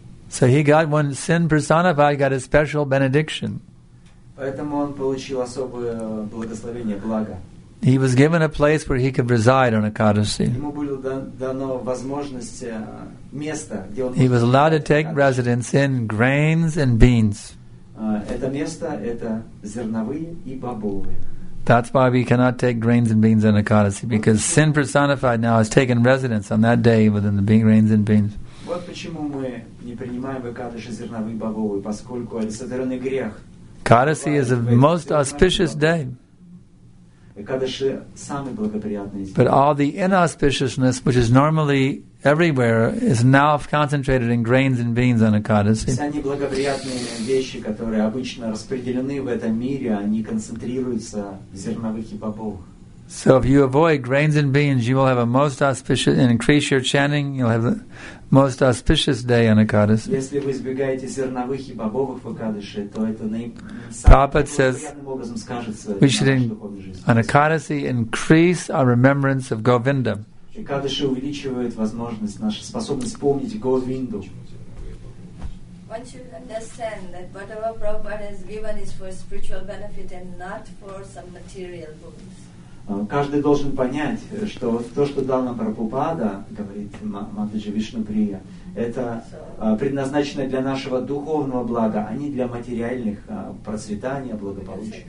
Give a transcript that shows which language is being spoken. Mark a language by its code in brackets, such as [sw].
[en] So he got one sin personified, got a special benediction. He was given a place where he could reside on Ekadasi. He was allowed to take residence in grains and beans. [ru] это место – это зерновые и бобовые. [en] That's why we cannot take grains and beans in Ekadasi, because sin personified now has taken residence on that day within the grains and beans. [ru] Вот почему мы не принимаем в Экадаши зерновые и бобовые, поскольку это содранный грех. [en] Ekadasi is the most auspicious day. [ru] Ekadaши самый благоприятный день. [en] But all the inauspiciousness, which is normally everywhere, is now concentrated in grains and beans on Ekadasi. [ru] Все неблагоприятные вещи, которые обычно распределены в этом мире, они концентрируются в зерновых и бобовых. [en] So if you avoid grains and beans, you will have a most auspicious, and increase your chanting, you'll have the most auspicious day on Ekadasi. [ru] Если вы избегаете зерновых и бобовых в Экадаши, то это наиболее образом скажется. [en] We should on Ekadasi increase our remembrance of Govinda. [ru] Экадаши увеличивает возможность, наша способность помнить Говинду. [en] Once you understand that whatever Prabhupada has given is for spiritual benefit and not for some material goods. [ru] Каждый должен понять, что то, что дал нам Прабхупада, говорит Матаджи Вишну Прия, это предназначено для нашего духовного блага, а не для материальных процветания, благополучия.